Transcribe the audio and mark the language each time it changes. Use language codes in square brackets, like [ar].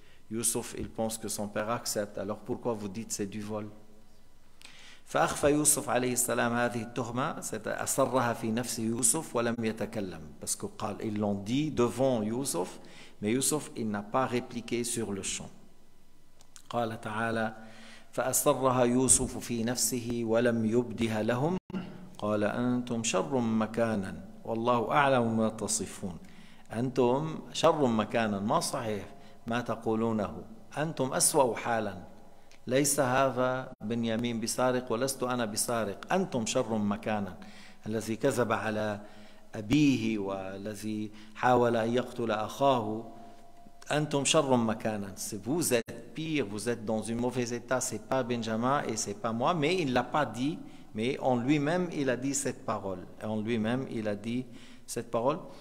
[fr] Youssef, il pense que son père accepte. Alors pourquoi vous dites c'est du vol? [ar] فَأَخْفَى يُوسُفُ عَلَيْهِ السَّلَامُ هَذِهِ التُّهْمَةَ سَتَأْسَرَّهَا فِي نَفْسِ يُوسُفَ وَلَمْ يَتَكَلَّمْ. [fr] Parce que قال, ils l'ont dit devant Youssef, mais Youssef il n'a pas répliqué sur le champ. [ar] قال تعالى فَأَسَرَّهَا يُوسُفُ فِي نَفْسِهِ وَلَمْ يُبْدِهَا لَهُمْ قال أنتم شر مكانا والله أعلم ما تصفون. أنتم شر مكانا ما صحيح ما تقولونه. أنتم أسوأ حالا. ليس هذا بنيامين بسارق ولست أنا بسارق. أنتم شر مكانا الذي كذب على أبيه والذي حاول أن يقتل أخاه. أنتم شر مكانا. [fr] Vous êtes pire, vous êtes dans une mauvaise état. C'est pas Benjamin et c'est pas moi, mais il l'a pas dit. Mais en lui-même, il a dit cette parole. En lui-même, il a dit cette parole.